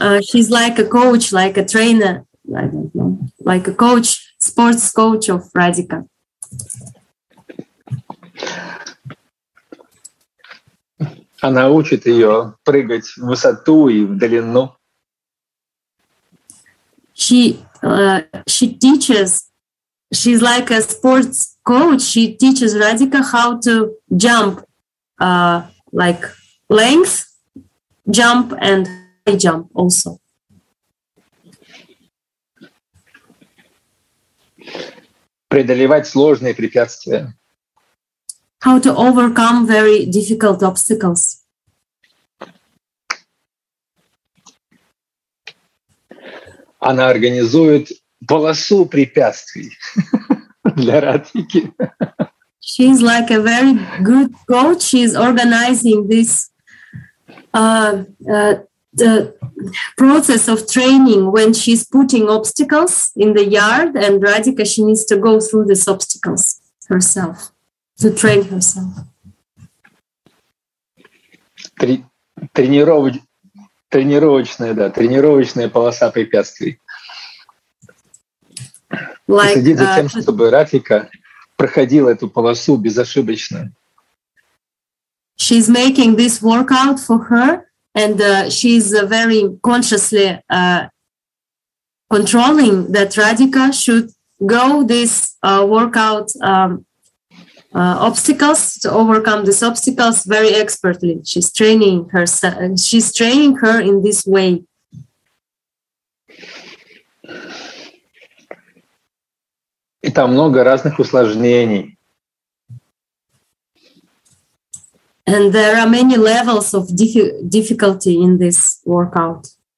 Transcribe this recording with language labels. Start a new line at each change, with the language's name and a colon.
English: She's like a coach, like a trainer, I don't know, like a coach, sports coach of Radhika.
Russian: Она учит ее прыгать в высоту и в длину.
English: She teaches. She's like a sports coach. She teaches Radhika how to jump. Like length, jump, and high jump also.
Russian: Преодолевать сложные препятствия.
English: How to overcome very difficult obstacles.
Russian: Она организует полосу препятствий для Радхики.
English: She's like a very good coach. She's organizing this the process of training when she's putting obstacles in the yard, and Radhika, she needs to go through these obstacles herself, to train herself.
Russian: Тренировочная полоса препятствий. Like, следить за тем, чтобы Радхика проходила эту полосу безошибочно.
English: She's making this workout for her, and she's very consciously controlling that Radhika should go this workout obstacles, to overcome these obstacles very expertly. She's training her in this way. И там много разных усложнений. And there are many levels of difficulty in this workout.